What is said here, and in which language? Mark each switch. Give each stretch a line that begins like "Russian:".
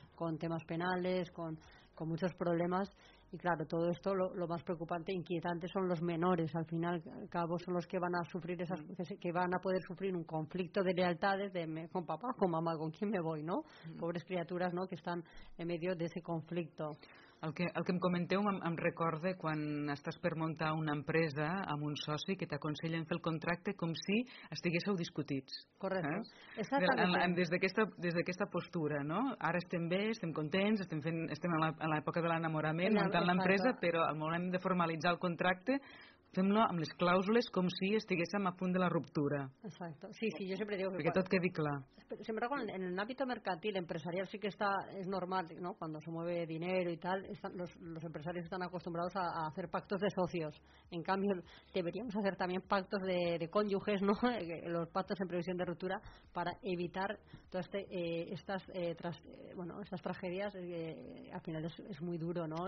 Spanish: Con temas penales, con muchos problemas, y claro, todo esto lo más preocupante e inquietante son los menores, al final al cabo son los que van a sufrir esas que van a poder sufrir un conflicto de lealtades de con papá, con mamá, con quién me voy, ¿no? Pobres criaturas, ¿no?, que están en medio de ese conflicto.
Catalan: El que em comenteu em recorda quan estàs per muntar una empresa amb un soci que t'aconsellen fer el contracte com si estiguéssiu discutits. Correcte. Des d'aquesta postura, no? Ara estem bé, estem contents, estem en l'època de l'enamorament, muntant l'empresa, però al moment de formalitzar el contracte fem-lo amb les clàusules com si estiguéssim a punt de la ruptura. Exacte. Sí, jo sempre dic... Perquè tot quedi clar. Sempre en l'àmbit mercantil, empresarial, sí que està, és normal, no?
Spanish: Quan se mueve dinero
Catalan: i tal,
Spanish: los empresarios están acostumbrados a hacer pactos de socios. En cambio, deberíamos hacer también pactos de cónyuges, ¿no? Los pactos en previsión de ruptura para evitar todas estas tragedias. Al final es muy duro, ¿no?